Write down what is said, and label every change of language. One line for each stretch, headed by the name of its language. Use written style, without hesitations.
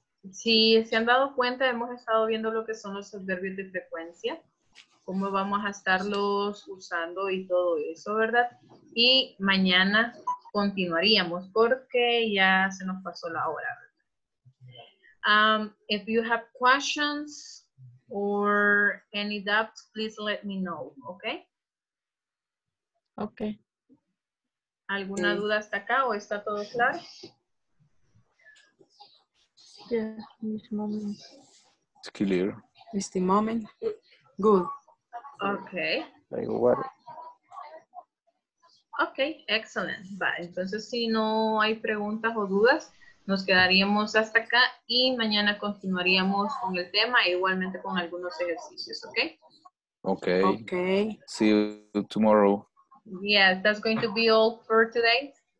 Spanish: Si se han dado cuenta, hemos estado viendo lo que son los adverbios de frecuencia, cómo vamos a estarlos usando y todo eso, ¿verdad? Y mañana continuaríamos porque ya se nos pasó la hora.
English: If you have questions or any doubts, please let me know, okay? Okay.
Spanish: ¿Alguna duda hasta acá o está todo claro?
English: Yeah, this moment. It's clear. It's the moment. Good. Okay. Like what? Okay, excellent.
Spanish: Va, entonces si no hay preguntas o dudas, nos quedaríamos hasta acá y mañana continuaríamos con el tema e igualmente con algunos ejercicios, okay?
English: Okay. Okay. See you tomorrow. Yeah, that's going to be all for today.